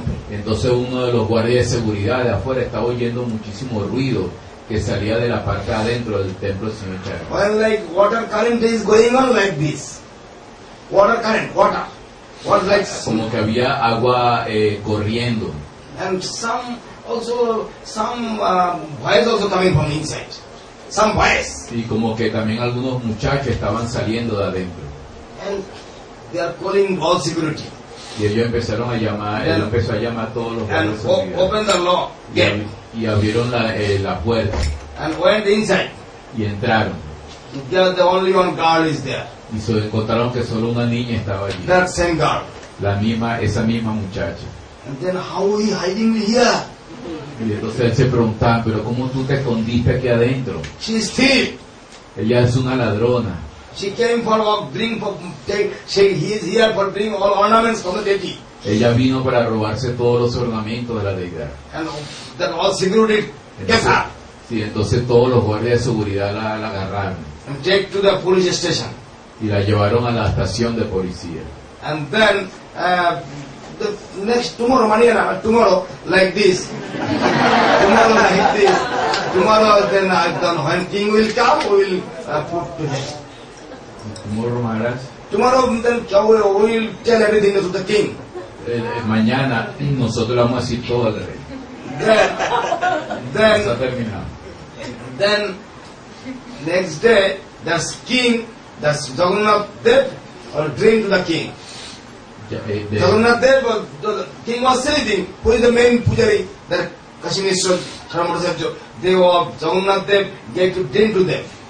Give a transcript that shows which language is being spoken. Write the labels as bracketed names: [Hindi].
[Spanish] Entonces uno de los guardias de seguridad de afuera estaba oyendo muchísimo ruido que salía de la parte adentro del templo del señor Jagannath. [English] Well, like water current is going on like this. Water. Like [Spanish] como que había agua corriendo. [English] And some voice also coming from inside. Some boys. [Spanish] Y como que también algunos muchachos estaban saliendo de adentro. [English] And they are calling all security. [Spanish] Y ellos empezaron a llamar, and él empezó a llamar a todos los guardias. [English] Open the lock. [Spanish] Y abrieron la puerta. [English] And went inside. [Spanish] Y entraron. [English] There the only one girl is there. [Spanish] Y se encontraron que solo una niña estaba allí. [English] That same girl. [Spanish] Esa misma muchacha. [English] And then how are we hiding here? [Spanish] Y entonces él se preguntaba, pero ¿cómo tú te escondiste aquí adentro? [English] She's thief. [Spanish] Ella es una ladrona. [English] She came for bring for take. She is here for bring all ornaments from the deity. [Spanish] Ella vino para robarse todos los ornamentos de la deidad. [English] And then all security entonces, get her. [Spanish] Sí, entonces todos los guardias de seguridad la agarraron. [English] And take to the police station. Y la llevaron a la estación de policía. And then the next tomorrow like this. Then when king will come, we will put to him. Tomorrow, Maharaj. Tomorrow, then we will tell everything to the king. [Spanish] Mañana, nosotros vamos a decir todo al rey. [English] Then, next day, the king, the Jagannath Dev, or dream to the king. Jagannath Dev, the king was sleeping. Who is the main pujari? That Kashimishwar Karamarajarjo, they were Jagannath Dev, gave to drink to them.